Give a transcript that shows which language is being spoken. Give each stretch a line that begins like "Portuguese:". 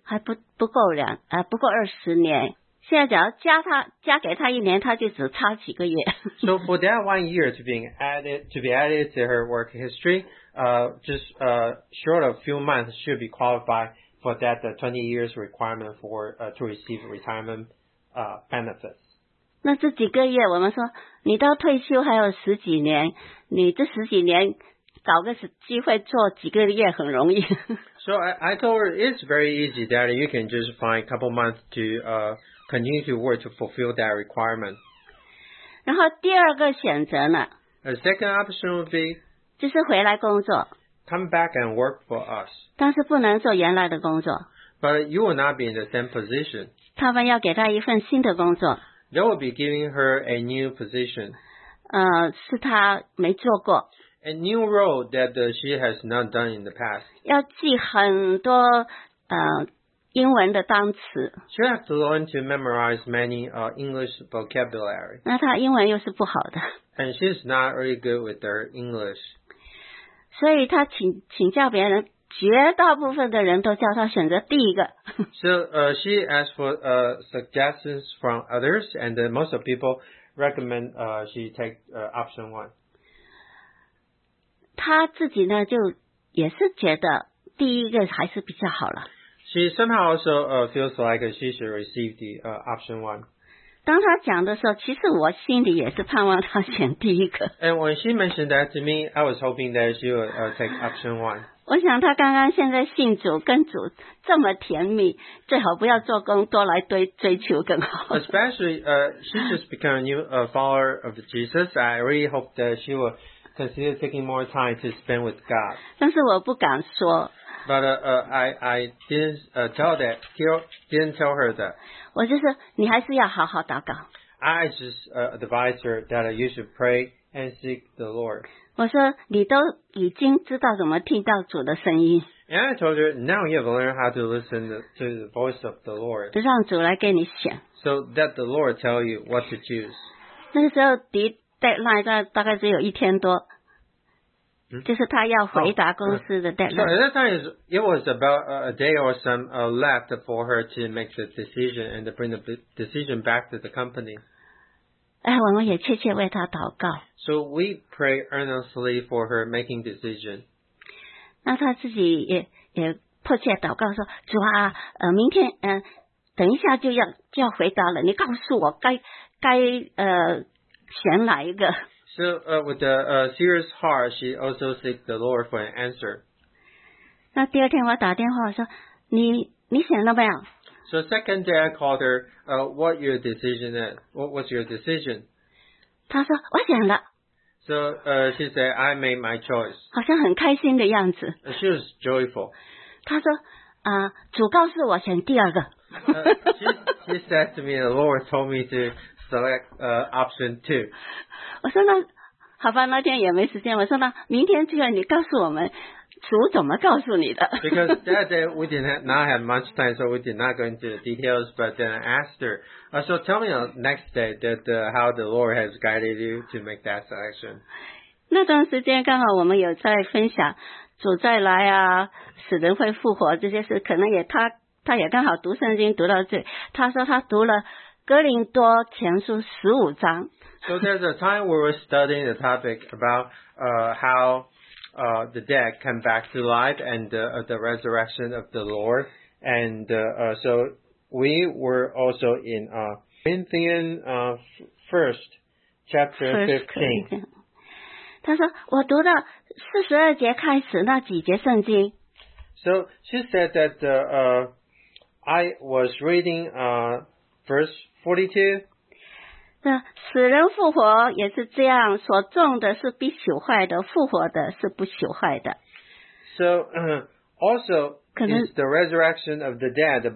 Chinese: 还不够二十年。现在只要加给她一年，她就只差几个月。
English: So for that 1 year to be added to her work history, short of a few months, she would be qualified for that 20 years requirement to receive retirement benefits.
Chinese: 那这几个月我们说你到退休还有十几年，你这十几年找个机会做几个月很容易。
English: So I told her it's very easy, Daddy. You can just find a couple months to continue to work to fulfill that requirement.
Chinese: 然后第二个选择呢
English: ？A second option would be
Chinese: 就是回来工作。
English: Come back and work for us.
Chinese: 但是不能做原来的工作。
English: But you will not be in the same position.
Chinese: 他们要给他一份新的工作。
English: They will be giving her a new position.
Chinese: 是他没做过。
English: A new role that she has not done in the past.
Chinese: 要记很多英文的单词。
English: She has to learn to memorize many English vocabulary.
Chinese: 那他英文又是不好的。
English: And she's not really good with her English.
Chinese: 所以他请教别人。绝大部分的人都叫他选择第一个。
English: So, she asked for suggestions from others, and most of people recommend she take option one.
Chinese: 他自己呢就也是觉得第一个还是比较好了。
English: She somehow also feels like she should receive the option one.
Chinese: 当他讲的时候，其实我心里也是盼望他选第一个。
English: And when she mentioned that to me, I was hoping that she would take option one.
Chinese: 我想他刚刚现在信主跟主这么甜蜜，最好不要做工，多来追求更好。
English: Especially, she just became a new follower of Jesus. I really hope that she will consider taking more time to spend with God.
Chinese: 但是我不敢说。
English: But I didn't tell that. Didn't tell her that.
Chinese: 我就是你还是要好好祷告。
English: I just advise her that you should pray and seek the Lord.
Chinese: 我说你都已经知道怎么听到主的声音。
English: And I told her, now you have learned how to listen to the voice of the Lord.
Chinese: 让主来给你选。
English: So that the Lord tell you what to choose.
Chinese: 那个时候 deadline 大概只有一天多。就是他要回答公司的 deadline.
English: So at that time, it was about a day or some left for her to make the decision and to bring the decision back to the company.
Chinese: 哎，我们也切切为他祷告。
English: So we pray earnestly for her making decision.
Chinese: 那他自己也迫切祷告说：“主啊，明天等一下就要回答了，你告诉我该选哪一个。
English: ”So with a serious heart, she also seek the Lord for an answer.
Chinese: 那第二天我打电话说：“你选了没有？”
English: So second day I called her. What your decision is? What was your decision?
Chinese: 她说我选了。
English: So she said I made my choice.
Chinese: 好像很开心的样子。
English: She was joyful.
Chinese: 她说主告诉我选第二个。
English: she said to me, the Lord told me to select option two.
Chinese: 我说那好吧，那天也没时间。我说那明天就要你告诉我们。主怎么告诉你的
English: ？Because that day we did not have much time, so we did not go into the details. But then I asked her, so tell me the next day that how the Lord has guided you to make that selection.
Chinese: 那段时间刚好我们有在分享主再来啊，死人会复活这些事，可能也他也刚好读圣经读到这，他说他读了哥林多前书十五章。
English: So there's a time we were studying the topic about how. The dead come back to life and the resurrection of the Lord. And so we were also in Corinthians first chapter 15.
Chinese: 他说我读到四十二节开始那几节圣经。
English: So she said that I was reading verse 42.
Chinese: 死人复活也是这样，所种的是必朽坏的，复活的是不朽坏的。
English: So, also, is the resurrection of the dead.